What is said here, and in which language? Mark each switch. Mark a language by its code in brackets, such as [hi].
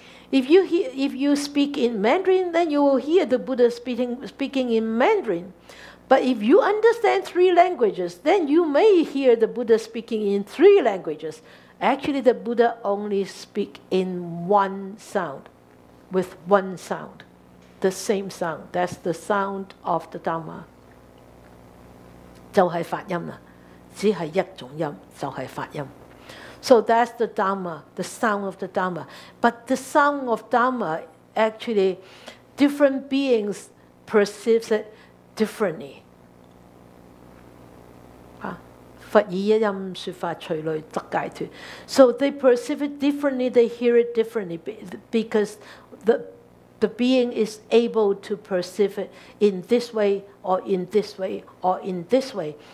[en] If you speak in Mandarin, then you will hear the Buddha speaking in Mandarin. But if you understand three languages, then you may hear the Buddha speaking in three languages. Actually, the Buddha only speaks in one sound, with one sound, the same sound. That's the sound of the Dharma. [zh] 就是發音,只是一種音,就是發音. [en] So that's the Dharma, the sound of the Dharma. But the sound of Dharma, actually, different beings perceive it differently. So they perceive it differently, they hear it differently, because the being is able to perceive it in this way, or in this way, or in this way.